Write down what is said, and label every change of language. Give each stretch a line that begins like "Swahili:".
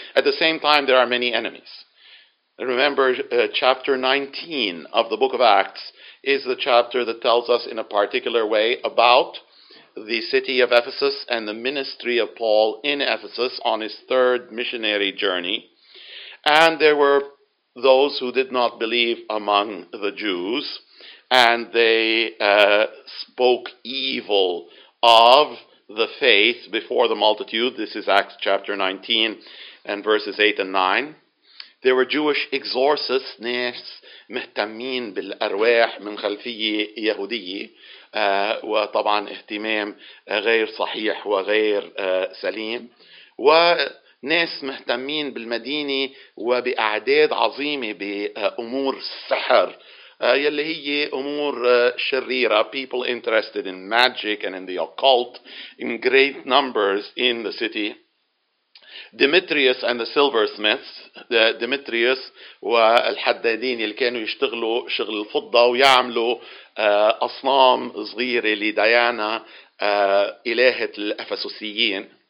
English: At the same time, there are many enemies. Remember, chapter 19 of the book of Acts is the chapter that tells us in a particular way about the city of Ephesus and the ministry of Paul in Ephesus on his third missionary journey. And there were those who did not believe among the Jews, and they spoke evil of the faith before the multitude. This is Acts chapter 19 and verses 8 and 9. There were Jewish exorcists,
Arabic: مهتمين بالأرواح من خلفية يهودية وطبعا اهتمام غير صحيح وغير سليم وناس مهتمين بالمدينة وبأعداد عظيمة بأمور السحر يلي هي أمور شريرة.
English: People interested in magic and in the occult in great numbers in the city. Demetrius and the silversmiths,
Arabic: Demetrius والحدادين اللي كانوا يشتغلوا شغل الفضة ويعملوا أصنام صغيرة لديانا إلهة الأفسوسيين.